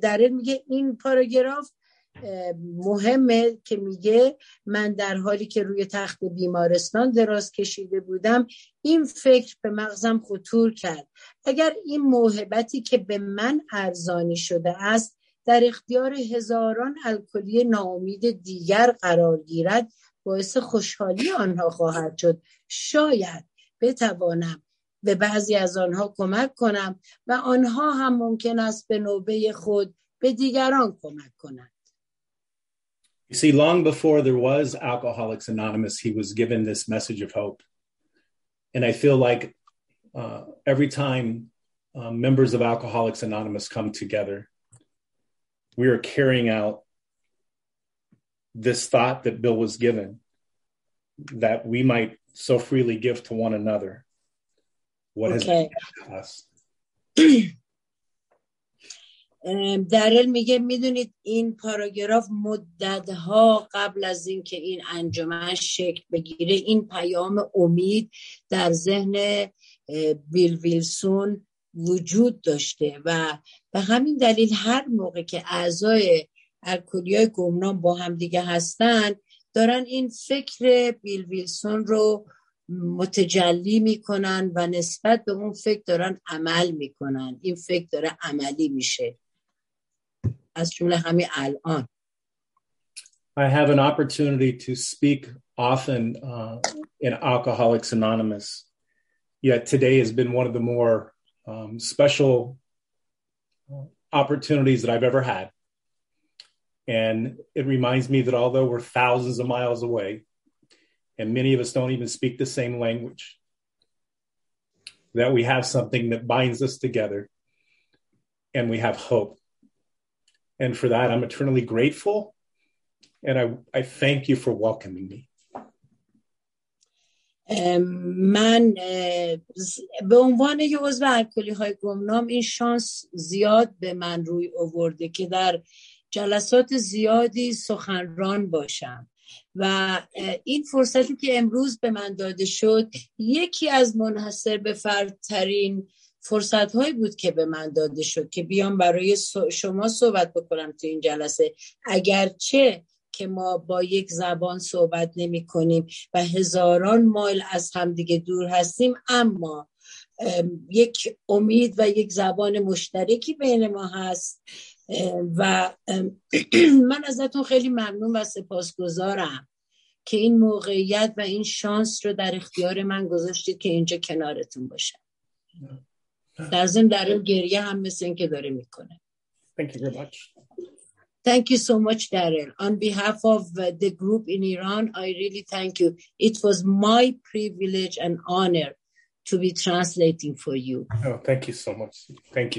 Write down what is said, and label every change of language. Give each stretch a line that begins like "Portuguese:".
Persian: در این میگه این پاراگراف مهمه که میگه من در حالی که روی تخت بیمارستان دراز کشیده بودم این فکر به مغزم خطور کرد: اگر این موهبتی که به من ارزانی شده است در اختیار هزاران الکلی ناامید دیگر قرار گیرد باعث خوشحالی آنها خواهد شد، شاید بتوانم به بعضی از آنها کمک کنم و آنها هم ممکن است به نوبه خود به دیگران کمک کنند.
English: You see, long before there was Alcoholics Anonymous, he was given this message of hope. And I feel like every time members of Alcoholics Anonymous come together, we are carrying out this thought that Bill was given, that we might so freely give to one another what has been given to us.
Persian: درل میگه میدونید این پاراگراف مدت ها قبل از اینکه این انجمن شکل بگیره این پیام امید در ذهن بیل ویلسون وجود داشته و به همین دلیل هر موقع که اعضای الکلیای گمنام با هم دیگه هستن دارن این فکر بیل ویلسون رو متجلی میکنن و نسبت به اون فکر دارن عمل میکنن، این فکر داره عملی میشه از جمله همین الان.
English: I have an opportunity to speak often in Alcoholics Anonymous, yet today has been one of the more special opportunities that I've ever had. And it reminds me that although we're thousands of miles away, and many of us don't even speak the same language, that we have something that binds us together, and we have hope. And for that, I'm eternally grateful, and I thank you for welcoming me.
Persian: من به عنوان یه عضو الکلی‌های گمنام این شانس زیاد به من روی آورده که در جلسات زیادی سخنران باشم و این فرصتی که امروز به من داده شد یکی از منحصر به فرد ترین فرصت هایی بود که به من داده شد که بیام برای شما صحبت بکنم تو این جلسه، اگرچه که ما با یک زبان صحبت نمی کنیم و هزاران مایل از همدیگه دور هستیم، اما یک امید و یک زبان مشترکی بین ما هست و من ازتون خیلی ممنون و سپاسگزارم که این موقعیت و این شانس رو در اختیار من گذاشتید که اینجا کنارتون باشم. در ضمن در این گریه هم مثل این که داره میکنه.
English: Thank you so much, Daryl. On behalf of the group in Iran, I really thank you. It was my privilege and honor to be translating for you. Oh, thank you so much. Thank you.